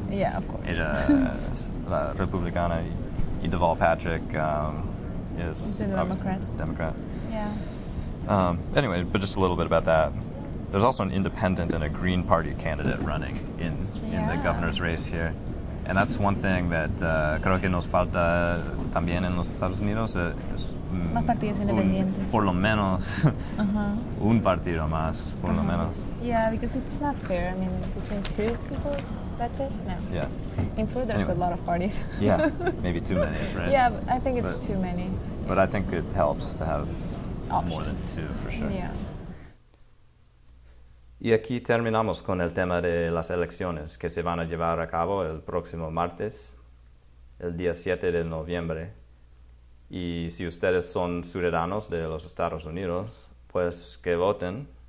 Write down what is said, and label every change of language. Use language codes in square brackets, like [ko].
[en] Yeah, of course. [es] La Republicana, y Deval Patrick is [en] a Democrat. Democrat. Yeah. Anyway, but just a little bit about that. There's also an independent and a Green Party candidate running in the governor's race here. And that's one thing that [es] creo que nos falta también en los Estados Unidos. Más partidos independientes. Por lo menos. Un partido más, por lo menos. [en] Yeah, because it's not fair. I mean, between two people, that's it? No. Yeah. In Florida, there's a lot of parties. Yeah, maybe too many, right? Yeah, but I think it's too many. But I think it helps to have options. More than two, for sure. Yeah. [es] Y aquí terminamos con el tema de las elecciones que se van a llevar a cabo el próximo martes, el día 7 de noviembre. Y si ustedes son ciudadanos de los Estados Unidos, pues que voten.